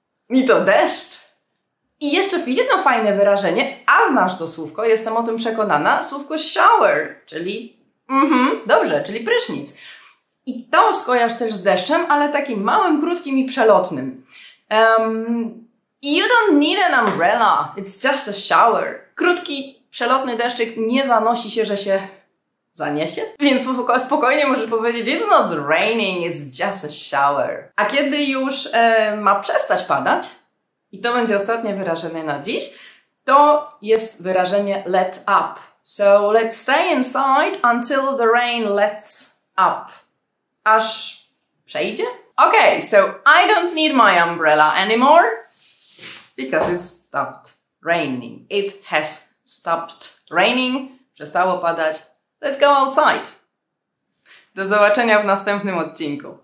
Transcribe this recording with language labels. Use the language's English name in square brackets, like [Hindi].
[Polish] I to deszcz. I jeszcze jedno fajne wyrażenie, a znasz to słówko, jestem o tym przekonana, słówko shower, czyli dobrze, czyli prysznic. I to skojarz też z deszczem, ale takim małym, krótkim i przelotnym. [English] You don't need an umbrella, it's just a shower. [Polish] Krótki, przelotny deszczyk nie zanosi się, że się zaniesie. Więc spokojnie możesz powiedzieć, [English] it's not raining, it's just a shower. [Polish] A kiedy już ma przestać padać, i to będzie ostatnie wyrażenie na dziś, to jest wyrażenie let up. [English] So let's stay inside until the rain lets up. [Polish] Aż przejdzie? [English] Okay, so I don't need my umbrella anymore because it stopped raining. It has stopped raining. [Polish] Przestało padać. [English] Let's go outside. [Polish] Do zobaczenia w następnym odcinku.